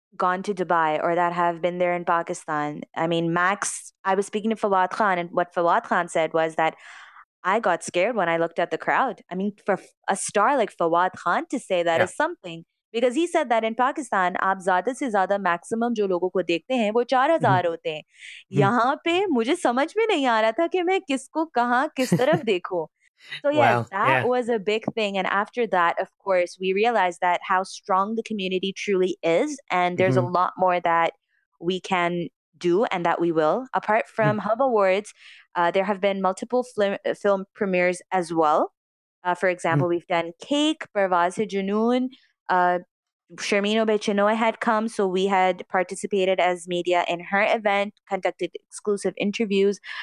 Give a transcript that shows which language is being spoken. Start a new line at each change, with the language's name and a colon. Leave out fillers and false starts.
English: gone to Dubai or that have been there in Pakistan. I mean, Max, I was speaking to Fawad Khan, and what Fawad Khan said was that I got scared when I looked at the crowd. I mean, for a star like Fawad Khan to say that is something, because he said that in Pakistan,
Hindi: आप ज़्यादा से ज़्यादा maximum जो लोगों को देखते हैं, वो 4,000 होते हैं. यहाँ पे मुझे समझ में नहीं आ रहा था कि मैं किसको कहाँ किस तरफ देखूँ.
English: So yes, Wow, that yeah. was a big thing. And after that, of course, we realized that how strong the community truly is, and there's a lot more that we can do and that we will. Apart from Hub Awards, there have been multiple film premieres as well. For example, we've done Cake, Parvaz-e-Junoon, Shermeen Obaid-Chinoy had come, so we had participated as media in her event, conducted exclusive interviews.